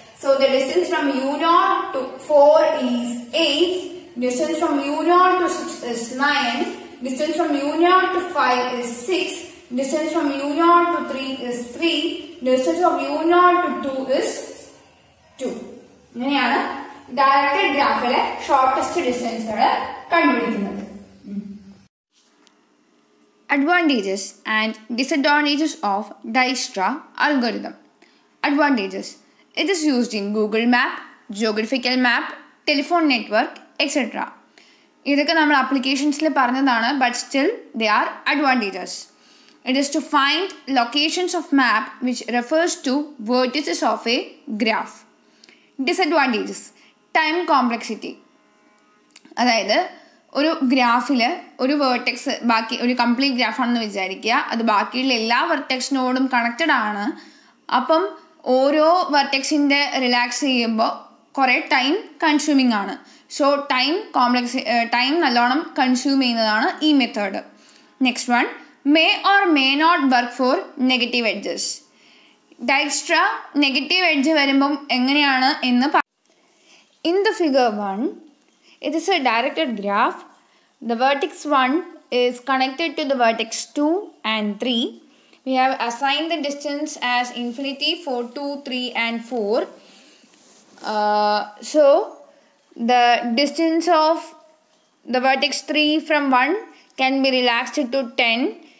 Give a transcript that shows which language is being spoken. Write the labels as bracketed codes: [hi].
[en] So the distance from u naught to 4 is 8. Distance from u naught to 6 is 9. Distance from u naught to 5 is 6. Distance from u naught to 3 is 3. Distance from u naught to 2 is 2. [ml] ഇങ്ങനെയാണ് directed ഗ്രാഫിലെ shortest ഡിസ്റ്റൻസുകൾ കണ്ടുപിടിക്കുന്നത്. [en] Advantages and disadvantages of Dijkstra algorithm. Advantages: it is used in Google Map, geographical map, telephone network, etc. [ml] ഇതൊക്കെ നമ്മൾ അപ്ലിക്കേഷൻസിൽ പറഞ്ഞതാണ്, [en] but still they are advantages. It is to find locations of map which refers to vertices of a graph. Disadvantages: time complexity. [ml] അതായത് ഒരു ഗ്രാഫിൽ ഒരു vertex ബാക്കി ഒരു complete ഗ്രാഫാണെന്ന് വിചാരിക്കുക, അത് ബാക്കിയുള്ള എല്ലാ വെർട്ടെക്സിനോടും കണക്റ്റഡ് ആണ്. അപ്പം ഓരോ വെർട്ടെക്സിൻ്റെ റിലാക്സ് ചെയ്യുമ്പോൾ കുറേ ടൈം കൺസ്യൂമിംഗ് ആണ്. സോ ടൈം കോംപ്ലക്സ് ടൈം നല്ലോണം കൺസ്യൂം ചെയ്യുന്നതാണ് ഈ method. [en] Next one, may or may not work for negative edges. [ml] ഡയക്സ്ട്ര negative edge വരുമ്പം എങ്ങനെയാണ് എന്ന് [en] In the figure 1. It is a directed graph. The vertex 1 is connected to the vertex 2 and 3. We have assigned the distance as infinity for 2, 3 and 4. So the distance of the vertex 3 from 1 can be relaxed to 10.